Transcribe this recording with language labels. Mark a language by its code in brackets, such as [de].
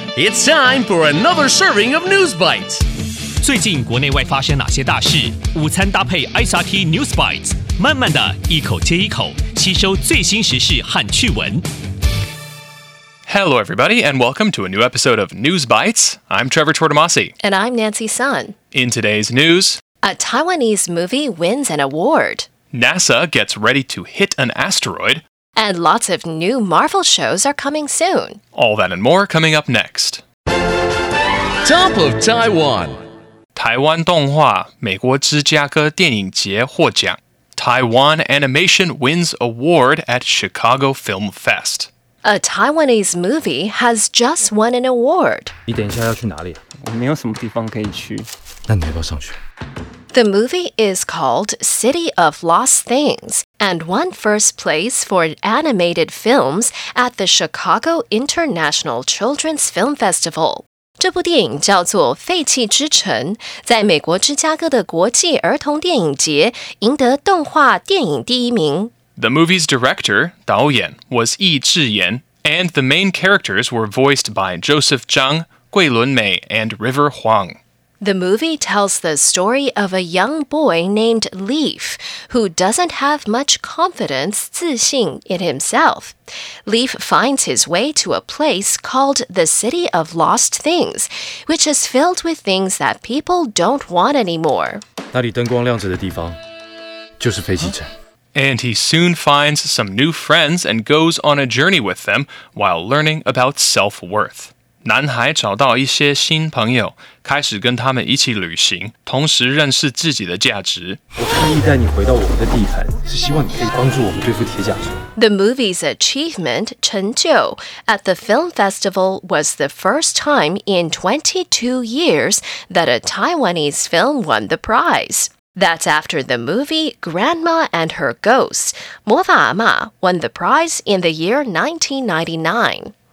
[en] It's time for another serving of News Bites. [zh] 最近国内外发生哪些大事？午餐搭配 SRT News Bites， 慢慢的一口接一口，吸收最新时事和趣闻。 [en] Hello, everybody, and welcome to a new episode of News Bites. I'm Trevor Tortomasi. And I'm Nancy Sun. In today's news, a Taiwanese movie wins an award. NASA gets ready to hit an asteroid. And lots of new Marvel shows are coming soon. All that and more coming up next. Top of Taiwan. [zh] 台湾动画美国芝加哥电影节获奖。 [en] Taiwan Animation wins award at Chicago Film Fest. A Taiwanese movie has just won an award. [zh] 你等一下要去哪里？我没有什么地方可以去。那你要不要上去？ [en] The movie is called City of Lost Things and won first place for animated films at the Chicago International Children's Film Festival. [zh] 这部电影叫做《废弃之城》，在美国芝加哥的国际儿童电影节赢得动画电影第一名。 [en] The movie's director, 导演, was Yi Zhiyan, and the main characters were voiced by Joseph Zhang, Gui Lunmei, and River Huang. The movie tells the story of a young boy named Leaf, who doesn't have much confidence, 自信, in himself. Leaf finds his way to a place called the City of Lost Things, which is filled with things that people don't want anymore. [zh] 那里灯光亮着的地方就是废弃城。 [en] And he soon finds some new friends and goes on a journey with them while learning about self-worth. [zh] 男孩找到一些新朋友，开始跟他们一起旅行，同时认识自己的价值。我特意带你回到我们的地盘，是希望你可以帮助我们对付铁甲虫。 [en] The movie's achievement, 成就, at the film festival was the first time in 22 years that a Taiwanese film won the prize. That's after the movie Grandma and Her Ghost, 魔法阿嬷, won the prize in the year 1999.